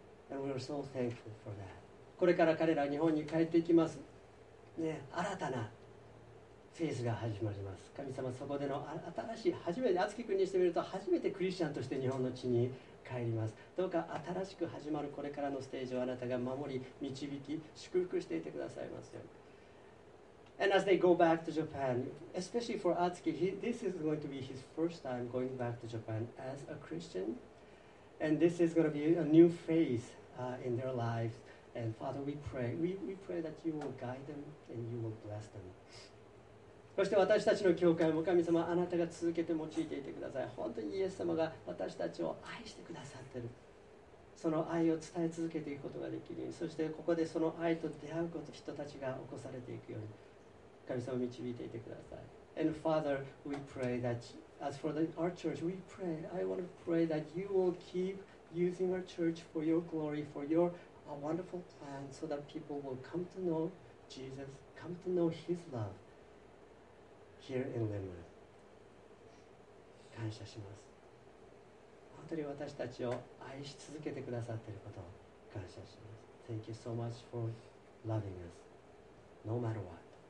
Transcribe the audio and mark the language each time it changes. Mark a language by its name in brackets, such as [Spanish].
[English] And we are so thankful for that. [Japanese] これから彼ら日本に帰っていきます、ね、新たなフェーズが始まります。神様、そこでの新しい初めて、厚木君にしてみると初めてクリスチャンとして日本の地に帰ります。どうか新しく始まるこれからのステージをあなたが守り、導き、祝福していてくださいますよ。 [English] And as they go back to Japan, especially for Atsuki, this is going to be his first time going back to Japan as a ChristianAnd this is going to be a new phase in their lives. And Father, we pray that you will guide them and you will bless them. [Japanese] そして私たちの教会も神様、あなたが続けて用いていてください。本当にイエス様が私たちを愛してくださっている。その愛を伝え続けていくことができるように、そしてここでその愛と出会うこと、人たちが起こされていくように、神様を導いていてください。 [English] And Father, we pray that as for our church, we pray, I want to pray that you will keep using our church for your glory, for your wonderful plan, so that people will come to know Jesus, come to know his love here in Linwood. [Japanese] 感謝します。本当に私たちを愛し続けてくださっていることを感謝します。 [English] Thank you so much for loving us, no matter what.